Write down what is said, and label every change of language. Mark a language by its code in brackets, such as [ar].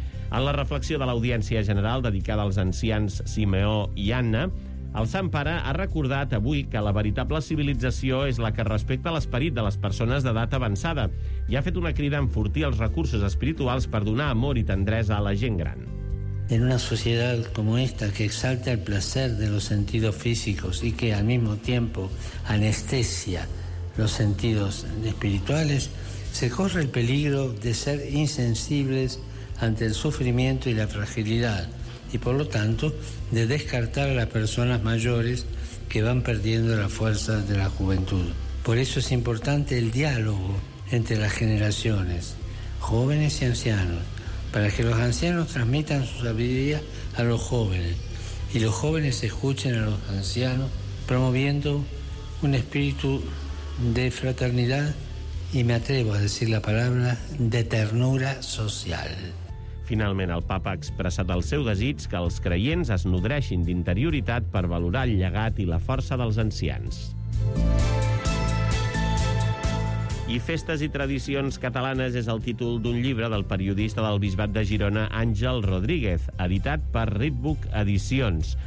[ca] En la reflexió de l'audiència general dedicada als ancians Simeó i Anna, el Sant Pare ha recordat avui que la veritable civilització és la que respecta l'esperit de les persones d'edat avançada i ha fet una crida a enfortir els recursos espirituals per donar amor i tendresa a la gent gran. [es] En una societat com esta que exalta el placer de los sentidos físicos y que al mismo tiempo anestesia los sentidos espirituales, se corre el peligro de ser insensibles ante el sufrimiento y la fragilidad y, por lo tanto, de descartar a las personas mayores que van perdiendo la fuerza de la juventud. Por eso es importante el diálogo entre las generaciones, jóvenes y ancianos, para que los ancianos transmitan su sabiduría a los jóvenes y los jóvenes escuchen a los ancianos, promoviendo un espíritu de fraternidad y, me atrevo a decir la palabra, de ternura social. [ca] Finalment, el papa ha expressat el seu desig que els creients es nodreixin d'interioritat per valorar el llegat i la força dels ancians. I Festes i tradicions catalanes és el títol d'un llibre del periodista del Bisbat de Girona, Àngel Rodríguez, editat per Ripbook Edicions.